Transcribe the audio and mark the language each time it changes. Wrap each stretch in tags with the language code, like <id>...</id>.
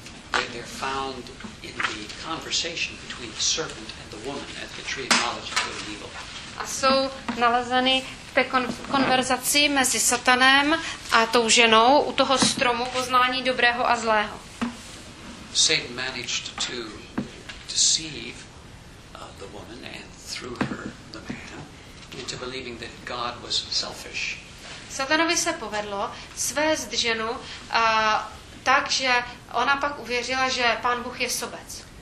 <en>They're found in the conversation between the serpent and the woman at the tree of knowledge of good and evil.</en> <cs>A jsou nalezeny v té konverzaci mezi Satanem a tou ženou u toho stromu poznání dobrého a zlého.</cs> <en>Satan managed to deceive the woman and through her the man into believing that God was selfish.</en> <cs>Satanovi se povedlo svést ženu a takže ona pak uvěřila, že Pán Bůh je sobec.</cs>